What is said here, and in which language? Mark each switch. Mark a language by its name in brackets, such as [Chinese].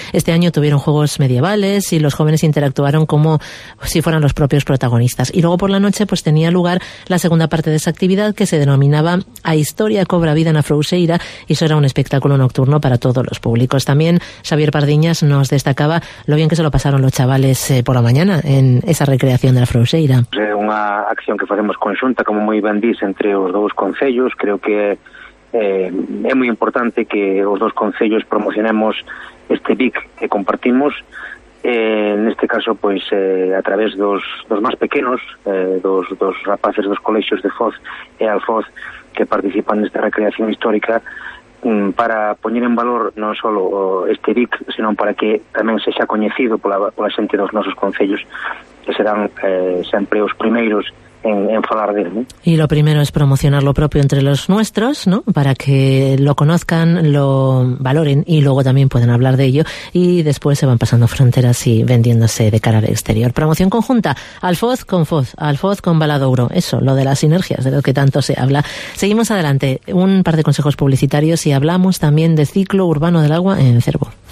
[Spanish] Este año tuvieron juegos medievales y los jóvenes interactuaron como si fueran los propios protagonistas. Y luego por la noche pues tenía lugar la segunda parte de esa actividad que se denominaba A Historia Cobra Vida na Frouxeira, y eso era un espectáculo nocturno para todos los públicos. También Xavier Pardiñas nos destacaba lo bien que se lo pasaron los chavales por la mañana en esa recreación da Frouxeira. [Galician] É unha acción que facemos conxunta, como moi ben dís, entre os dous concellos. Creo que é moi importante que os dous concellos promocionemos este BIC que compartimos, neste caso, pois, a través dos máis pequenos, dos rapaces dos colexios de Foz e Alfoz, que participan nesta recreación histórica, para poñer en valor non só este BIC, senón para que tamén sexa coñecido pola xente dos nosos concellos, que serán sempre os primeiros en falar dele, ¿no? [Spanish] Y lo primero es promocionar lo propio entre los nuestros, ¿no? Para que lo conozcan, lo valoren y luego también pueden hablar de ello, y después se van pasando fronteras y vendiéndose de cara al exterior. Promoción conjunta, Alfoz con Foz, Alfoz con Valdeoro. Eso, lo de las sinergias, de lo que tanto se habla. Seguimos adelante, un par de consejos publicitarios y hablamos también de ciclo urbano del agua en Cervo.